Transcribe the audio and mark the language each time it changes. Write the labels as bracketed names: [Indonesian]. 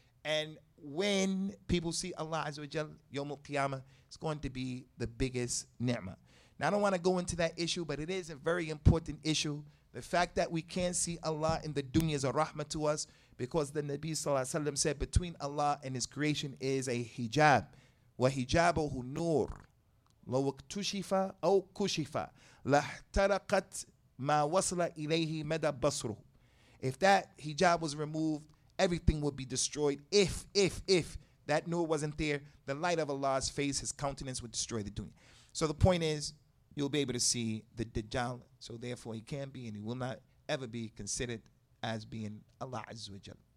[English] And when people see Allah Azza wa Jal, Yawm al-Qiyamah, it's going to be the biggest ni'mah. Now, I don't want to go into that issue, but it is a very important issue. The fact that we can't see Allah in the dunya is a rahmah to us, because the Nabi Sallallahu Alaihi Wasallam said between Allah and his creation is a hijab. [Arabic] Wa hijabuhu nur. لو اكتشف أو كشف لاحترقت ما وصل إليه مدى بصره. [English] If that hijab was removed, everything would be destroyed. If that nur wasn't there, the light of Allah's face, his countenance would destroy the dunya. So the point is, you'll be able to see the Dajjal. So therefore, he can be and he will not ever be considered as being Allah Azza wa Jal.